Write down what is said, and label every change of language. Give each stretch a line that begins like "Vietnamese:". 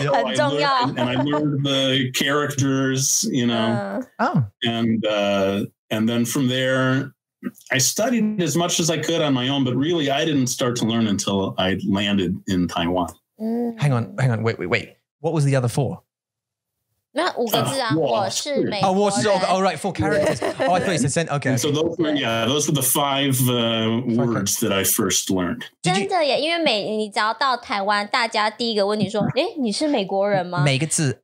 English: Yeah. And, so I learned the characters, you know. And then from there, I studied as much as I could on my own, but really I didn't start to learn until I landed in Taiwan. Mm. Hang on. Wait. What was the other four?
Chinese: 那五个字啊，我是美国人。哦，我是哦，哦
English: right, four characters. Oh, I thought it's a sentence. Okay. So those were the five words that I first learned.
Chinese: 真的耶，因为你只要到台湾，大家第一个问你说，哎，你是美国人吗？每个字